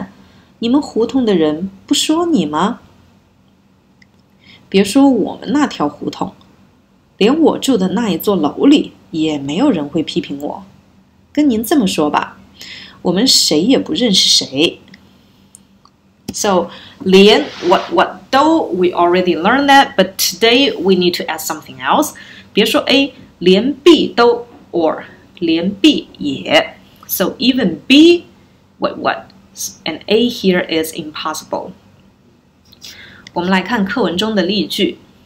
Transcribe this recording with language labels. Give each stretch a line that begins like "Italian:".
Chinese: 不请亲戚朋友和邻居吃饭,你们胡同的人不说你吗?别说我们那条胡同,连我住的那一座楼里也没有人会批评我。跟您这么说吧,我们谁也不认识谁。So,
English: Lian, what though we already learned that, but today we need to add something else.
Chinese: 别说A, 连B都,
English: or
Chinese: 连B也。
English: So even B, what, and A here is impossible.
Chinese: 我们来看课文中的例句。